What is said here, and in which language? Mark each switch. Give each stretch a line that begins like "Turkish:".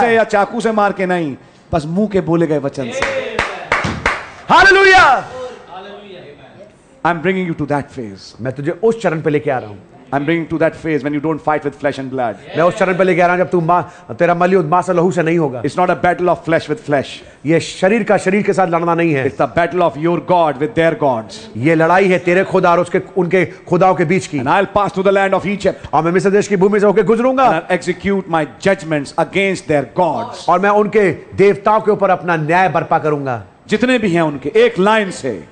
Hindi: से या चाकू से मार के नहीं, बस मुंह के बोले गए वचन से. Hallelujah.
English: I am bringing you to that phase.
Hindi: मैं तुझे उस चरण पे लेके आ रहा हूं.
English: I'm bringing to that phase when you don't fight with flesh and blood.
Hindi: मैं उस चरण पे ले के आ रहा हूँ जब तू तेरा मलयुद्ध मांस और लहू से नहीं होगा.
English: It's not a battle of flesh with flesh.
Hindi: ये शरीर का शरीर के साथ लड़ना नहीं है.
English: It's the battle of your God with their gods.
Hindi: ये लड़ाई है तेरे खुदा और उसके उनके खुदाओं के बीच की.
English: And I'll pass through the land of Egypt.
Hindi: और मैं मिस्र देश की भूमि से होकर गुजरूंगा.
English: And I'll execute my judgments against their gods.
Hindi: और मैं उनके देवताओं के ऊपर अपना न्याय बर्पा करूंगा. जितने भी हैं उनके एक लाइन से.